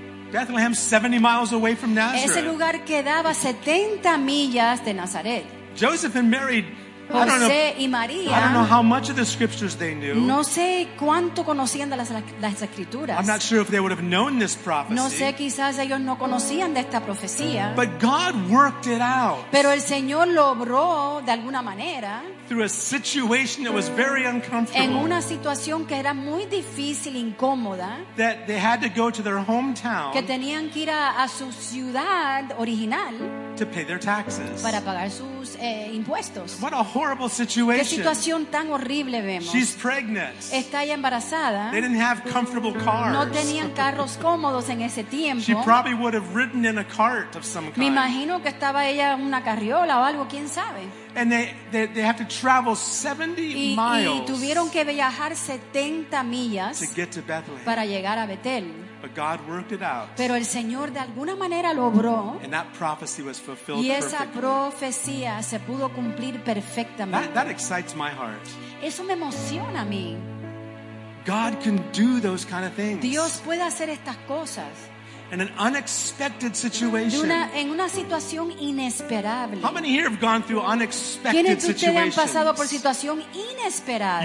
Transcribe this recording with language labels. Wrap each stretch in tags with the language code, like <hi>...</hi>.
<en>Bethlehem, 70 miles away from Nazareth.</en> <es>Ese lugar quedaba 70 millas de Nazaret.</es> <en>Joseph and Mary.</en> <es>José y María.</es> <en>I don't know how much of the scriptures they knew.</en> <es>No sé cuánto conocían de las escrituras.</es> <en>I'm not sure if they would have known this prophecy.</en> <es>No sé, quizás ellos no conocían de esta profecía.</es> <en>But God worked it out.</en> <es>Pero el Señor lo obró de alguna manera.</es> <en>Through a situation that was very uncomfortable.</en> <es>En una situación que era muy difícil, incómoda.</es> <en>That they had to go to their hometown.</en> <es>Que tenían que ir a su ciudad original.</es> <en>To pay their taxes.</en> <es>Para pagar sus impuestos.</es> <en>What a horrible situation.</en> <es>Qué situación tan horrible vemos.</es> <en>She's pregnant.</en> <es>Está ya embarazada.</es> <en>They didn't have comfortable cars.</en> <es>No tenían carros cómodos en ese tiempo.</es> <en>She probably would have ridden in a cart of some kind.</en> <es>Me imagino que estaba ella en una carriola o algo, quién sabe.</es> <en>And they have to travel 70 miles.</en> <es>Y tuvieron que viajar 70 millas</es> <en>to get to Bethlehem.</en> <es>Para llegar a Betel.</es> <en>But God worked it out.</en> <es>Pero el Señor de alguna manera lo obró.</es> <en>And that prophecy was fulfilled</en> <es>y esa</es> <en>perfectly.</en> <es>Profecía se pudo cumplir perfectamente.</es> <en>That excites my heart.</en> <es>Eso me emociona a mí.</es> <en>God can do those kind of things.</en> <es>Dios puede hacer estas cosas.</es> <en>In an unexpected situation.</en> <es>En una situación inesperable.</es> <en>How many here have gone through unexpected situations?</en> <es>¿Quiénes de ustedes han pasado por situación inesperada?</es>